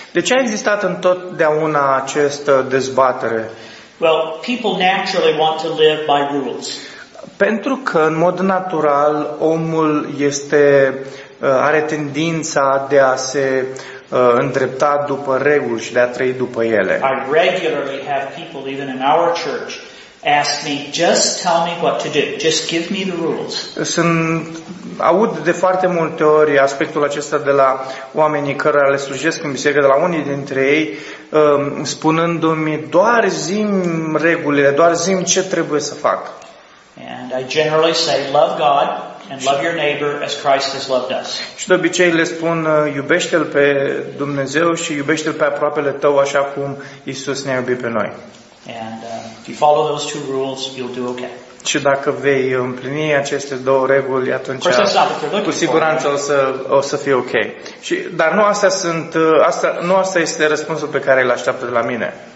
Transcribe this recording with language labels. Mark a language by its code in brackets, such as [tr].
[ro] De ce a existat întotdeauna această dezbatere? [en] Well, people naturally want to live by rules. [ro] Pentru că în mod natural omul este are tendința de a se îndrepta după reguli și de a trăi după ele. [en] I regularly have people even in our church ask me, just tell me what to do. Just give me the rules. [ro] Aud de foarte multe ori aspectul acesta de la oamenii cărora le slujesc în biserică, de la unii dintre ei, spunându-mi, doar zi-mi regulile, doar zi-mi ce trebuie să fac. [en] And I generally say, love God and love your neighbor as Christ has loved us. [ro] Și de obicei le spun, iubește-L pe Dumnezeu și iubește-L pe aproapele tău așa cum Iisus ne-a iubit pe noi. [en] And if you follow those two rules, you'll do okay. [ro] Și dacă vei împlini aceste două reguli, atunci cu siguranță o să fie ok. Și dar nu asta sunt asta nu asta este răspunsul pe care îl așteaptă de la mine.